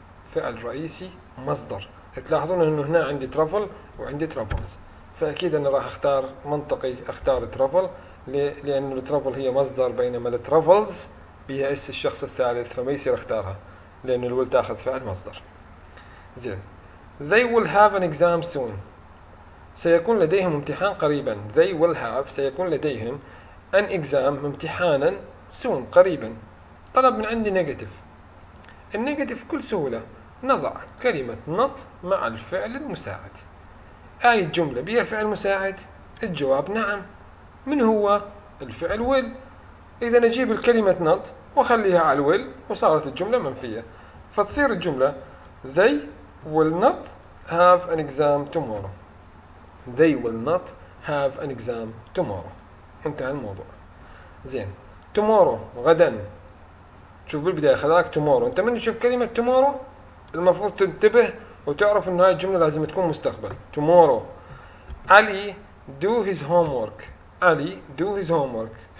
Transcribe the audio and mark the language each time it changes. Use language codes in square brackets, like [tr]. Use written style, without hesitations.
[ar] فعل رئيسي مصدر. تلاحظون إنه هنا عندي travel وعندي travels. فأكيد أنا راح أختار منطقي أختار travel. لأن الترافل هي مصدر بينما الترافلز بها اس الشخص الثالث فما يصير اختارها لأن الول تاخذ فعل مصدر. زين. [en] They will have an exam soon. [ar] سيكون لديهم امتحان قريبا. [en] They will have [ar] سيكون لديهم [en] an exam [ar] امتحانا [en] soon [ar] قريبا. طلب من عندي نيجاتيف. النيجاتيف كل سهولة نضع كلمة not مع الفعل المساعد. هاي الجملة بها فعل مساعد؟ الجواب نعم. من هو الفعل ويل؟ إذا نجيب الكلمة نط وخليها على ويل وصارت الجملة منفية، فتصير الجملة [en] they will not have an exam tomorrow. They will not have an exam tomorrow. [ar] انتهى الموضوع. زين. tomorrow غدا. شوف بالبداية خلاك tomorrow. أنت من تشوف كلمة tomorrow المفروض تنتبه وتعرف إن هاي الجملة لازم تكون مستقبل. [en] tomorrow. Ali do his homework. Ali do his homework.